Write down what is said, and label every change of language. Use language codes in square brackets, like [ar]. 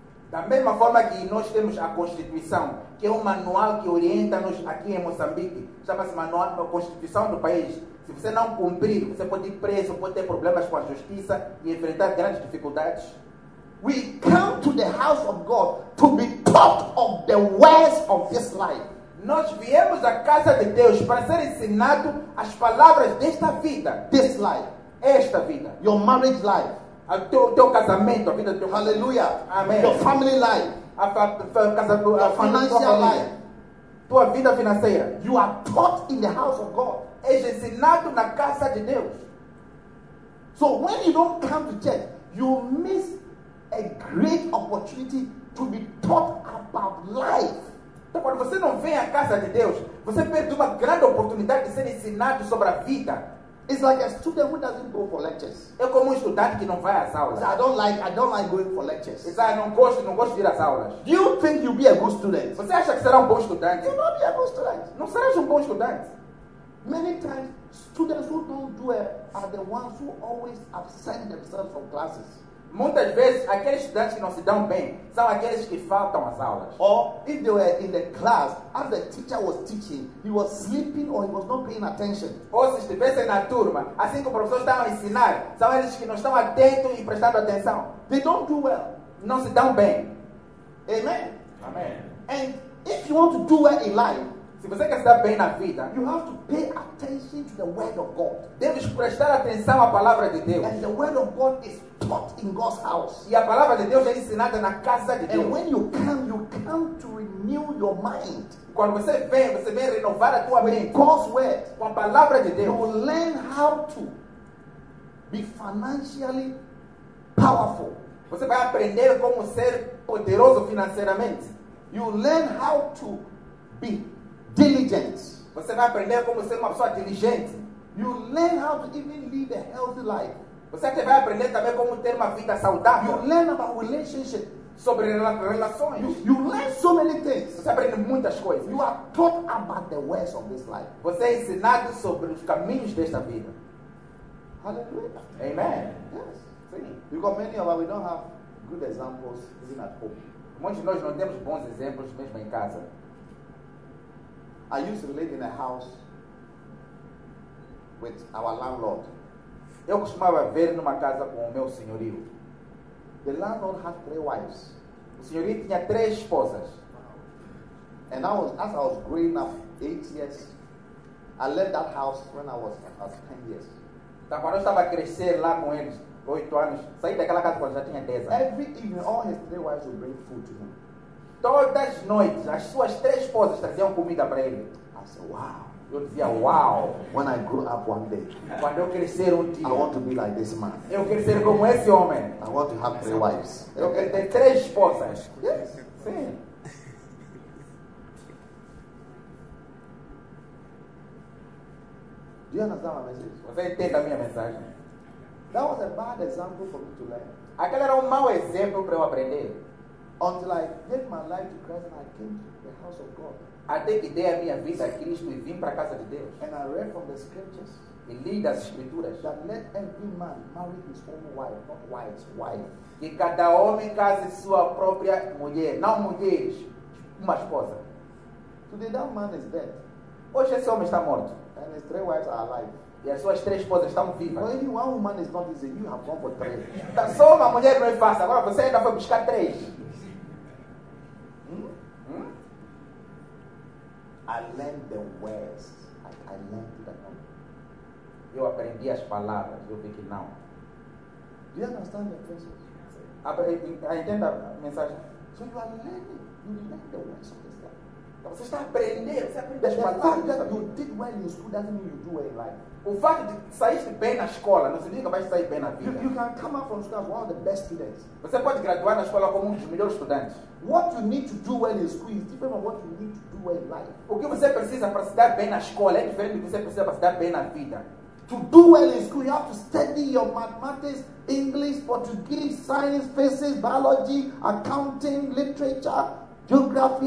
[pt] Da mesma forma que nós temos a Constituição, que é um manual que orienta-nos aqui em Moçambique. Chama-se manual da Constituição do país. Se você não cumprir, você pode ir preso, pode ter problemas com a justiça e enfrentar grandes dificuldades. [en] We come to the house of God to be taught of the ways of this life. [pt] Nós viemos à casa de Deus para ser ensinado as palavras desta vida. [en] This life. [pt] Esta vida. [en] Your marriage life. [pt] O teu casamento, a vida do teu. [en] Hallelujah. [pt] Amém. [en] Your family life. A financial [pt] tua [en] life. [pt] Tua vida financeira. [en] You are taught in the house of God. [pt] És ensinado na casa de Deus. [en] So when you don't come to church, you miss a great opportunity to be taught about life. [pt] Então, quando você não vem à casa de Deus, você perde uma grande oportunidade de ser ensinado sobre a vida. [en] It's like a student who doesn't go for lectures. [pt] É como um estudante que não vai às aulas. [en] I don't like going for lectures. It's like, [pt] não gosto de ir às aulas. [en] Do you think you'll be a good student? [pt] Você acha que será um bom estudante? [en] You'll not be a good student. [pt] Não serás um bom estudante. [en] Many times, Students who don't do it are the ones who always absent themselves from classes. [pt] Muitas vezes, aqueles estudantes que não se dão bem são aqueles que faltam às aulas. [en] Or, if they were in the class, as the teacher was teaching, he was sleeping or he was not paying attention. [pt] Ou se estivessem na turma, assim que o professor estava a ensinar, são eles que não estão atentos e prestando atenção. [en] They don't do well. [pt] Não se dão bem. [en] Amen? Amen. And if you want to do well in life, [pt] se você quer se dar bem na vida, [en] you have to pay attention to the word of God. [pt] Deves prestar atenção à palavra de Deus. [en] And the word of God is taught in God's house. [pt] E a palavra de Deus é ensinada na casa de Deus. [en] And when you come to renew your mind. [pt] Quando você vem renovar a tua mente. [en] God's word. [pt] Com a palavra de Deus. [en] You will learn how to be financially powerful. [pt] Você vai aprender como ser poderoso financeiramente. [en] You will learn how to be diligent. [pt] Você vai aprender como ser uma pessoa diligente. [en] You learn how to even lead a healthy life. [pt] Você até vai aprender também como ter uma vida saudável. [en] You learn about relationship. [pt] Sobre relações. [en] You learn so many things. [pt] Você aprende muitas coisas. [en] You are taught about the ways of this life. [pt] Você é ensinado sobre os caminhos desta vida. [en] Hallelujah. Amen. Yes. [pt] Sim. [en] We got many of us, we don't have good examples even at home. [pt] Muitos de nós não temos bons exemplos mesmo em casa. [en] I used to live in a house with our landlord. [pt] Eu costumava ver numa casa com o meu senhorio. [en] The landlord had three wives. [pt] O senhorio tinha três esposas. [en] And I was, as I was growing up, 8 years, I left that house when I was 10 years. [pt] Então, quando eu estava a crescer lá com eles, 8 anos, saí daquela casa quando já tinha 10 anos. [en] Every evening, all his three wives would bring food to him. [pt] Todas as noites, as suas três esposas traziam comida para ele. [en] I said, wow. [pt] Eu dizia, wow. [en] When I grow up one day, [pt] quando eu crescer um dia, [en] I want to be like this man. [pt] Eu quero ser como esse homem. [en] I want to have three wives. [pt] Eu quero ter três esposas. [en] Yes. [pt] Sim. [en] Do you understand my message? [pt] Você entende a minha mensagem? [en] That was a bad example for me to learn. [pt] Aquele era mau exemplo para eu aprender. [en] Until I gave my life to Christ and I came to the house of God. [pt] Até que dei a minha vida a Cristo e vim para a casa de Deus. [en] And I read from the scriptures. [pt] E li das escrituras. [en] That let every man marry his own wife, not wife's wife. [pt] Que cada homem case sua própria mulher, não mulheres, uma esposa. [en] Today that man is dead. [pt] Hoje esse homem está morto. [en] And his three wives are alive. [pt] E as suas três esposas estão vivas. [en] Well, any one woman is not easy. You have gone for three. [pt] Só uma mulher não é fácil. Agora você ainda foi buscar três. [en] I learned the words. I learned that one. [pt] Eu aprendi as palavras. Eu vi que não. [en] Do you understand the message? [pt] I entend a mensagem. [en] So you are learning. You learn the words of this life. [pt] Então você está aprendendo. Você aprende [en] the fact that you did well in school doesn't mean you do well in life. [pt] O fato de saíste bem na escola não significa que vais sair bem na vida. [en] You can come out from school as one of the best students. [pt] Você pode graduar na escola como um dos melhores estudantes. [en] What you need to do well in school is different from what you need to do well in life. [pt] O que você precisa para se dar bem na escola é diferente do que você precisa para se dar bem na vida. [en] To do well in school, you have to study your mathematics, English, Portuguese, science, physics, biology, accounting, literature, geography.